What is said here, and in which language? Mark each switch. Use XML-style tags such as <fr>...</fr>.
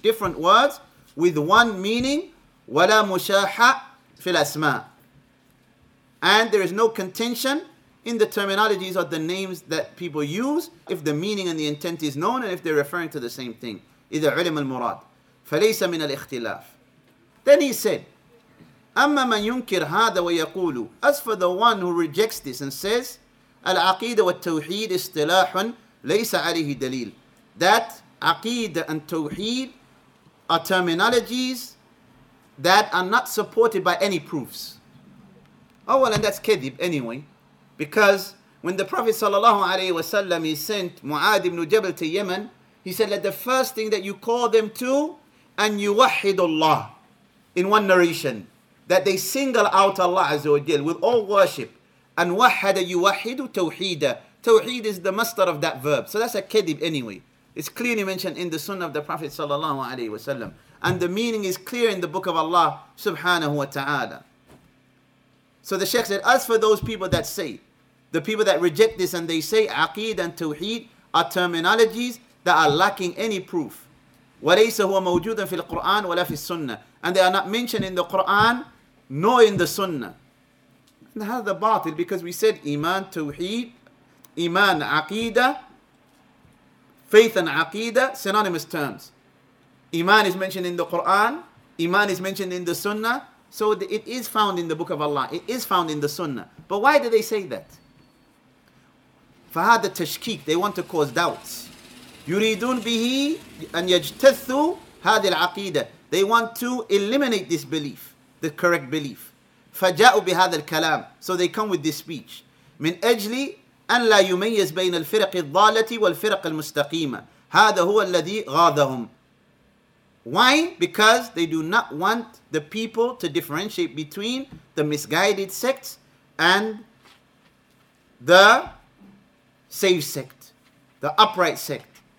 <en>Different words with one meaning.</en> <ar>وَلَا مُشَاحَةٍ فِي الْأَسْمَاءِ.</ar> <en>And there is no contention in the terminologies or the names that people use if the meaning and the intent is known and if they're referring to the same thing.</en> <ar>إِذَا عُلِمَ الْمُرَادِ فَلَيْسَ مِنَ الْإِخْتِلَافِ.</ar> <en>Then he said,</en> <ar>أَمَّا مَنْ يُنْكِرْ هَذَا وَيَقُولُ.</ar> <en>As for the one who rejects this and says,</en> <ar>العقيدة والتوحيد اصطلاح ليس عليه دليل.</ar> <en>That عقيدة and توحيد are terminologies that are not supported by any proofs. Oh well, and that's</en> <ar>كذب</ar> <en>anyway. Because when the Prophet sallallahu alayhi wa sallam, he sent Mu'ad ibn Jabal to Yemen, he said that the first thing that you call them to, and</en> <ar>يوحد الله,</ar> <en>in one narration, that they single out Allah Azza wa Jal with all worship. And</en> <ar>وَحَّدَ يُوَحِّدُ تَوْحِيدًا.</ar> <en>Tawheed is the master of that verb. So that's a kadib anyway. It's clearly mentioned in the sunnah of the Prophet sallallahu alayhi wa sallam. And the meaning is clear in the book of Allah subhanahu wa ta'ala. So the Shaykh said, as for those people that say, the people that reject this and they say aqeed and tawheed are terminologies that are lacking any proof.</en> <ar>وَلَيْسَ هُوَ مَوْجُودًا فِي الْقُرْآنِ وَلَا فِي السُنَّةِ.</ar> <en>And they are not mentioned in the Qur'an nor in the sunnah. And how the batil, because we said iman, tawheed, iman, aqeedah, faith and aqeedah, synonymous terms. Iman is mentioned in the Quran, iman is mentioned in the sunnah, so it is found in the book of Allah, it is found in the sunnah. But why do they say that?</en> <ar>فَهَذَا تَشْكِيك.</ar> <en>They want to cause doubts.</en> <ar>يُرِيدُونَ بِهِ أَن يَجْتَثُوا هَذِي الْعَقِيدَةِ.</ar> <en>They want to eliminate this belief, the correct belief.</en> <ar>فَجَاءُ بِهَذَا الْكَلَامِ</ar> <en>So they come with this speech.</en> <ar>مِنْ أَجْلِ أَنْ لَا يُمَيِّزْ بَيْنَ الْفِرَقِ الضَّالَّةِ وَالْفِرَقِ الْمُسْتَقِيمَةِ هَذَا هُوَ الَّذِي غَاضَهُمْ</ar> <en>Why? Because they do not want the people to differentiate between the misguided sects and the safe sect, the upright sect.</en>